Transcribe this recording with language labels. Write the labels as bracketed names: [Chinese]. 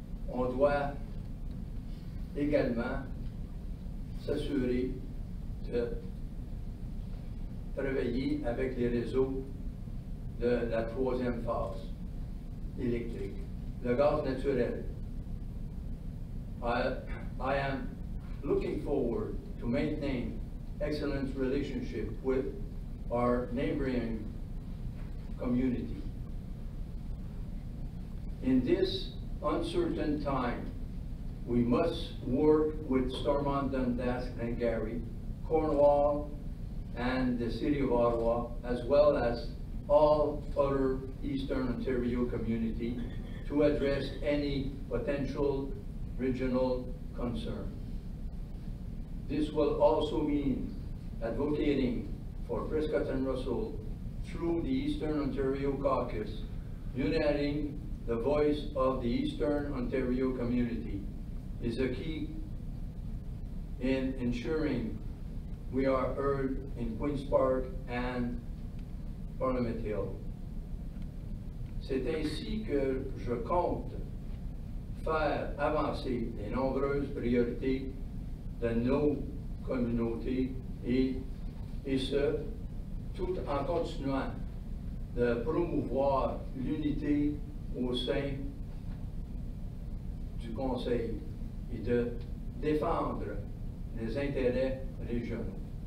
[French] On doit également s'assurer de travailler avec les réseaux de la troisième phase électrique, le gaz naturel. [English] I am looking forward to maintain excellent relationship with our neighboring community. In this uncertain time, we must work with Stormont Dundas and Glengarry, Cornwall, and the city of Ottawa, as well as all other Eastern Ontario community to address any potential regional concern. This will also mean advocating for Prescott and Russell through the Eastern Ontario Caucus, uniting the voice of the Eastern Ontario community is a key in ensuring we are heard in Queen's Park and Parliament Hill. [French] C'est ainsi que je compte faire avancer les nombreuses priorités de nos communautés et ce, tout en continuant de promouvoir l'unité au sein du Conseil et de défendre les intérêts régionaux.